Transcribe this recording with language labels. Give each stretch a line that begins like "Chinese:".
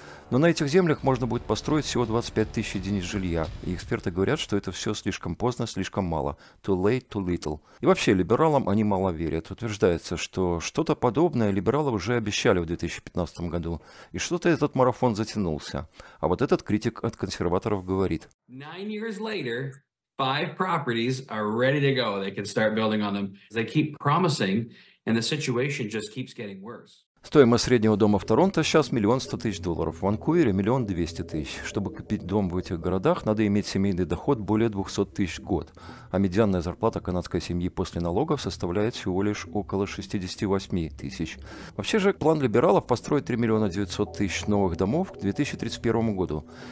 Russian: Но на этих землях можно будет построить всего 25 тысяч единиц жилья. И эксперты говорят, что это все слишком поздно, слишком мало.
English: Too late, too little.
Russian: И вообще, либералам они мало верят. Утверждается, что что-то подобное либералы уже обещали в 2015 году. И что-то этот марафон затянулся. А вот этот критик от консерваторов говорит.
English: 9 years later, 5 properties are ready to go. They can start building on them. They keep promising, and the situation just keeps getting worse.
Russian: Стоимость среднего дома в Торонто сейчас 1 100 000 долларов, в Ванкувере 1 200 000. Чтобы купить дом в этих городах, надо иметь семейный доход более 200 тысяч в год. А медианная зарплата канадской семьи после налогов составляет всего лишь около 68 тысяч. Вообще же, план либералов построить 3 900 000 новых домов к 2031 году.